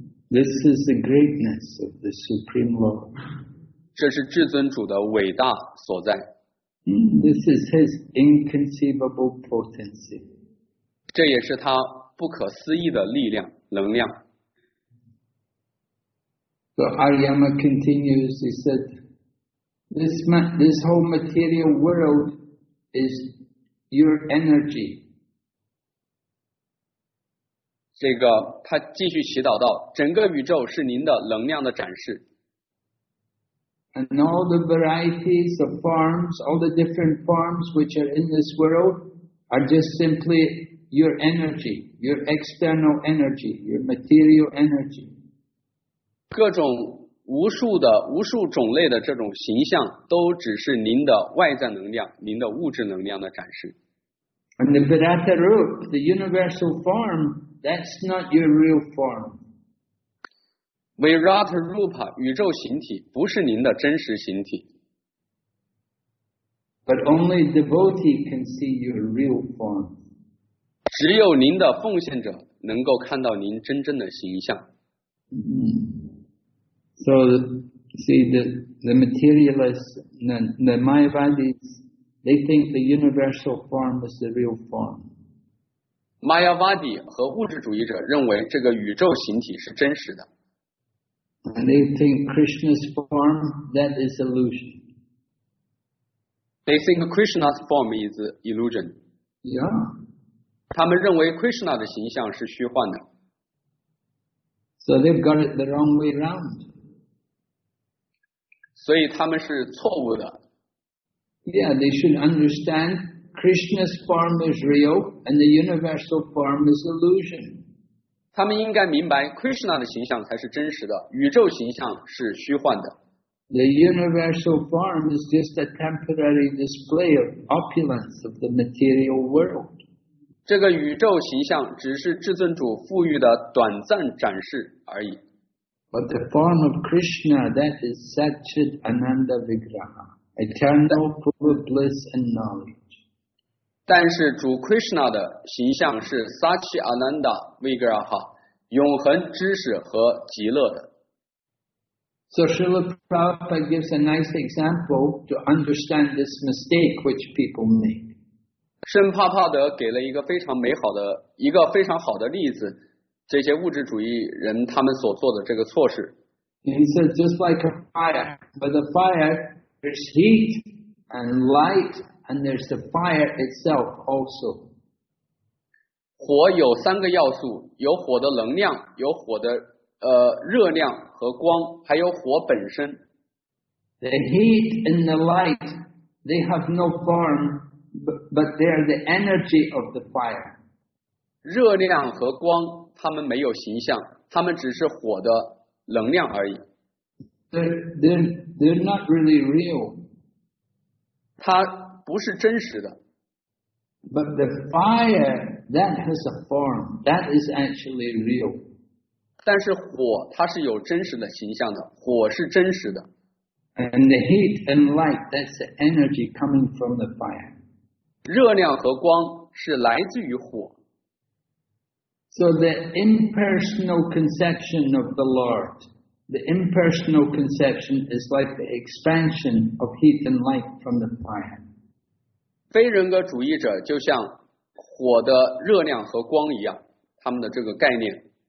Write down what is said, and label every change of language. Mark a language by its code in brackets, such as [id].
[en] This is the greatness of the Supreme Lord. [zh] 这是至尊主的伟大所在。 [en] This is his inconceivable potency. [zh] 这也是他不可思议的力量能量。 [en] So Aryama continues, he said, this whole material world is your energy. [zh] 这个他继续祈祷道，整个宇宙是您的能量的展示。 [en] And all the varieties of forms, all the different forms which are in this world are just simply your energy, your external energy, your material energy. [zh] 各种无数种类的这种形象都只是您的外在能量，您的物质能量的展示。 [en] And the Virata Roop, the universal form, that's not your real form. [zh] Virata Rupa, 宇宙形体不是您的真实形体。 [en] But only devotee can see your real form. [zh] 只有您的奉献者能够看到您真正的形象。 [en] So, see, the materialists, the Mayavadis, they think the universal form is the real form. [zh] Mayavadi 和物质主义者认为这个宇宙形体是真实的。 [en] And they think Krishna's form, that is illusion. They think Krishna's form is illusion. Yeah. [zh] 他们认为 Krishna 的形象是虚幻的。 [en] So they've got it the wrong way around. [zh] 所以他们是错误的。 [en] Yeah, they should understand Krishna's form is real and the universal form is illusion. [zh] 他们应该明白 Krishna 的形象才是真实的，宇宙形象是虚幻的。 [en] The universal form is just a temporary display of opulence of the material world. [zh] 这个宇宙形象只是至尊主富裕的短暂展示而已。 [en] But the form of Krishna, that is Satchit Ananda Vigraha, eternal full of bliss and knowledge. [zh] 但是主 Krishna 的形象是 Sachi Ananda Vigraha 永恒知识和极乐的。 [en] So Srila Prabhupada gives a nice example to understand this mistake which people make. [zh] 圣帕帕德给了一个非常美好的一个非常好的例子，这些物质主义人他们所做的这个错事。 [en] He said just like a fire, but the fire there's heat and light. And there's the fire itself also. [zh] 火有三个要素，有火的能量，有火的热量和光，还有火本身。 [en] The heat and the light, they have no form, but they are the energy of the fire. [zh] 热量和光，它们没有形象，它们只是火的能量而已。 [en] They're not really real. [zh] 它不是真实的。 [en] But the fire, that has a form, that is actually real. [zh] 但是火它是有真实的形象的，火是真实的。 [en] And the heat and light, that's the energy coming from the fire. [zh] 热量和光是来自于火。 [en] So the impersonal conception of the Lord, the impersonal conception is like the expansion of heat and light from the fire. [zh] 非人格主义者就像火的热量和光一样，他们的这个概念。